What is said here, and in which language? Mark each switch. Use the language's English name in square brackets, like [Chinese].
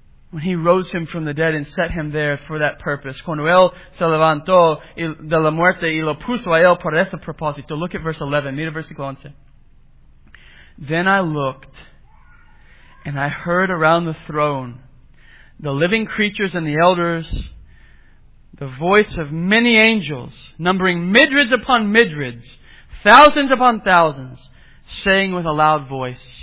[English] When he rose him from the dead and set him there for that purpose. [Spanish] Cuando él se levantó de la muerte y lo puso a él por ese propósito. [English] Look at verse 11. [Spanish] Mira versículo 11. [English] Then I looked, and I heard around the throne, the living creatures and the elders, the voice of many angels, numbering myriads upon myriads, thousands upon thousands, saying with a loud voice.